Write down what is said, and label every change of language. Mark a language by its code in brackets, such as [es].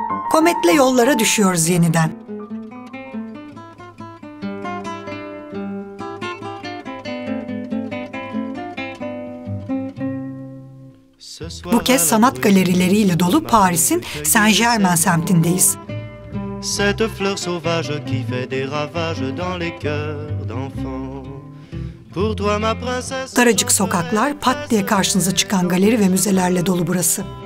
[tr] Komet'le yollara düşüyoruz yeniden. Bu kez sanat galerileriyle dolu Paris'in Saint-Germain semtindeyiz. [fr] Cette fleur sauvage qui fait des ravages dans les cœurs d'enfants. Pour toi ma princesse. [tr] Daracık sokaklar, pat diye karşınıza çıkan galeri ve müzelerle dolu burası.